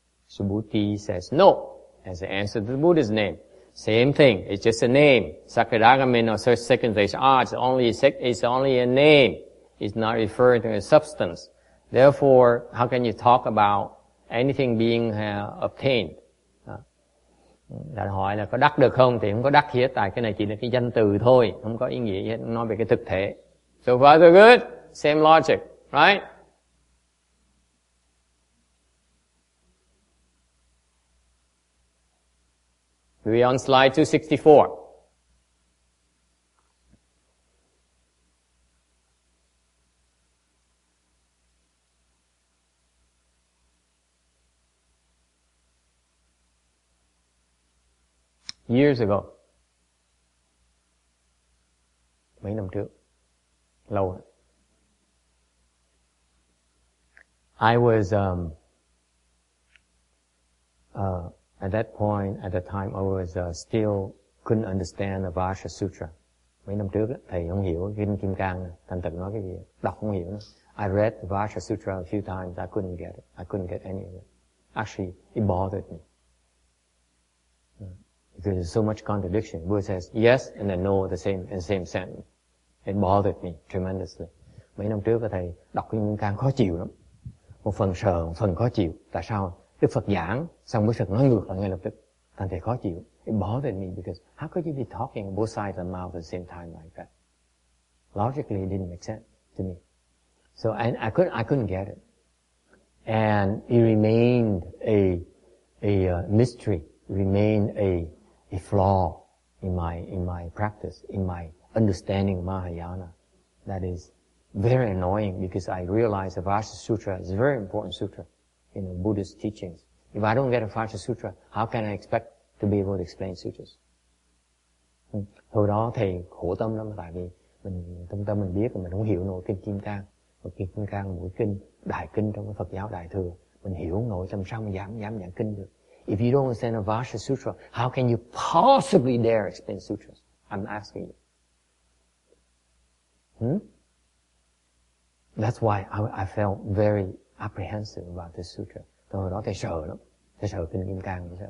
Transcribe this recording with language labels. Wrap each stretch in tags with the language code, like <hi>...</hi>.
<en>Subhuti says no. As the answer to the Buddha's name. Same thing. It's just a name. Sakadagamin or second stage Arhat is only a name. It's not referring to a substance. Therefore, how can you talk about anything being obtained?</en> <vi>Đã hỏi là có đắc được không? Thì không có đắc hết, tại cái này chỉ là cái danh từ thôi, không có ý nghĩa hết, nói về cái thực thể.</vi> <en>So far so good. Same logic, right? We on slide 264. Years ago.</en> <vi>Mấy năm trước. Lâu rồi.</vi> <en>I was at that point, at the time, I was still couldn't understand the Vajra Sutra.</en> <vi>Mấy năm trước thầy không hiểu kinh Kim Cang, thành thật nói cái gì, đọc không hiểu nữa.</vi> <en>I read the Vajra Sutra a few times. I couldn't get it. I couldn't get any of it. Actually, it bothered me because there's so much contradiction. Buddha says yes and then no, the same sentence. It bothered me tremendously.</en> <vi>Mấy năm trước thầy đọc kinh Kim Cang khó chịu lắm. Một phần sợ, một phần khó chịu. Tại sao? Đức Phật giảng, xong mới Phật nói ngược lại ngay lập tức. Thành thầy khó chịu.</vi> <en>It bothered me because how could you be talking both sides of the mouth at the same time like that? Logically, it didn't make sense to me. So, and I couldn't get it. And it remained a mystery, remained a flaw in my practice, in my understanding of Mahayana. That is very annoying because I realize the Vajra Sutra is a very important sutra in the Buddhist teachings. If I don't get a Vajra Sutra, how can I expect to be able to explain sutras?</en> <vi>Hồi đó thầy khổ tâm lắm, tại vì mình trong tâm mình biết mà mình không hiểu nổi kinh Kim Cang. Một kinh Kim Cang mỗi kinh đại kinh trong cái Phật giáo Đại thừa, mình hiểu nổi tâm sao mình dám giảng kinh được?</vi> <en>If you don't understand a Vajra Sutra, how can you possibly dare explain sutras? I'm asking you. That's why I felt very apprehensive about this sutra.</en> <vi>Thời đó thầy sợ lắm. Thầy sợ kinh Kim Cang.</vi>